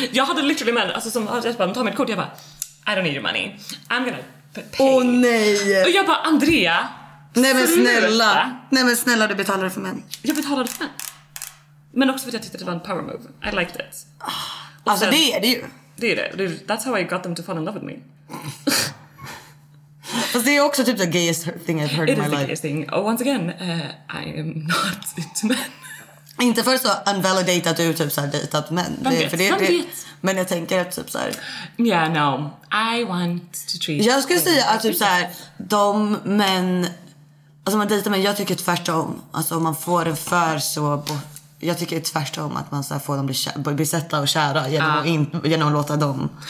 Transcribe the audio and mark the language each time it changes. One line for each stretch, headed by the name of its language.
Swedish: Jag hade literally män, alltså som jag bara, men ta mitt kort. Jag bara,
English: I don't need your money, I'm gonna pay.
Swedish: Åh nej. Och jag bara, Andrea, nej men snälla. Nej men snälla, du betalade för män. Jag betalade för män. Men också för att jag tyckte det var en power move.
English: I liked it.
Swedish: Och alltså sen, det är det ju. Det är det.
English: That's how I got them to fall in love with me. Fast det är också typ the gayest thing I've heard it in my life. It is the gayest thing. Oh, once again, I am not into men.
Swedish: Inte för så unvalidate att du typ såhär dejtat män. Men jag tänker att typ såhär,
English: yeah no, I want to treat.
Swedish: Jag skulle säga att typ såhär, de män, Alltså man dejtar, men jag tycker tvärtom. Alltså om man får det för så... Jag tycker tvärtom att man så får dem bli besatta och kära genom att låta dem.